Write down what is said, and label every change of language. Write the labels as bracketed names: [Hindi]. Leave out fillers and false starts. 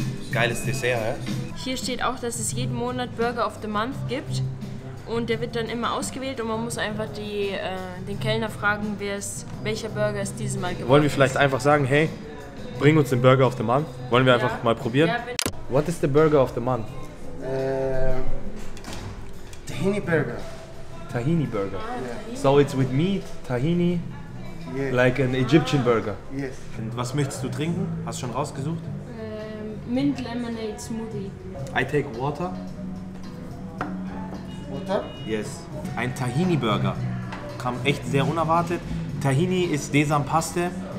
[German] Geiles Dessert, hä? Hier steht auch, dass es jeden Monat Burger of the Month gibt. Und der wird dann immer ausgewählt und man muss einfach den Kellner fragen, welcher Burger es dieses Mal geworden. Wollen wir vielleicht einfach sagen, hey, bring uns den Burger of the Month? Wollen wir einfach mal probieren? [English] Ja, what is the Burger of the Month? Tahini Burger. Tahini Burger. Yeah. So it's with meat, tahini, yes. Like an Egyptian Burger. Yes. [German] Und was möchtest du trinken? Hast du schon rausgesucht? [English] Mint Lemonade Smoothie. I take water. Butter? Yes. [German] Ein Tahini-Burger. Kam echt sehr unerwartet. Tahini ist Sesampaste.